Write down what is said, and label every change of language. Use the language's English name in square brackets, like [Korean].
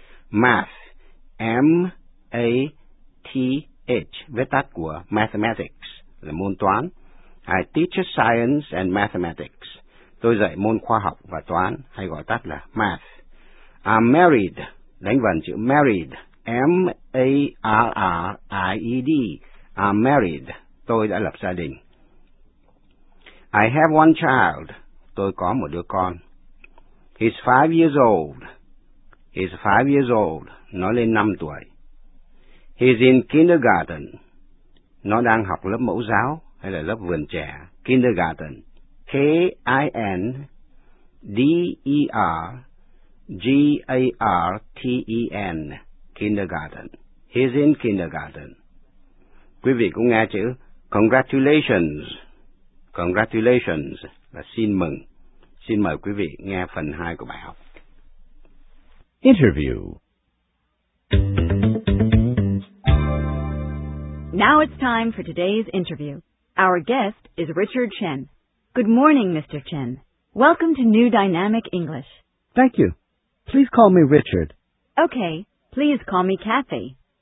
[Vietnamese] Math, M-A-T-H, viết tắt của mathematics. Là môn toán. [English] I teach science and mathematics. [Vietnamese] Tôi dạy môn khoa học và toán, hay gọi tắt là math. [English] I'm married. [Vietnamese] Đánh vần chữ married. M-A-R-R-I-E-D. I'm married. Tôi đã lập gia đình. [English] I have one child. [Vietnamese] Tôi có một đứa con. [English] He's 5 years old. He's 5 years old. [Vietnamese] Nó lên 5 tuổi. [English] He's in kindergarten. [Vietnamese] Nó đang học lớp mẫu giáo hay là lớp vườn trẻ, kindergarten, K-I-N-D-E-R-G-A-R-T-E-N, kindergarten. [English] He's in kindergarten. [Vietnamese] Quý vị cũng nghe chữ congratulations. Congratulations là xin mừng. Xin mời quý vị nghe phần 2 của bài học. [English] Interview. Now it's time for today's interview. Our guest is Richard Chen. Good morning, Mr. Chen. Welcome to New Dynamic English. Thank you. Please call me Richard. Okay, please call me Kathy.